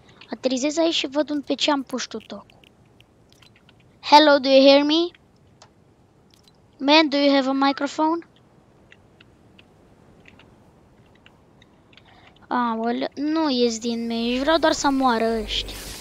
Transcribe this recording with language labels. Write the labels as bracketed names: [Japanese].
[Romanian] Aterizez aici și văd un pe ce-am pus tu tocul. [English] Hello, do you hear me? Man, do you have a microphone? [Romanian] Aoleu, nu ies din meci, vreau doar să moară ăștia.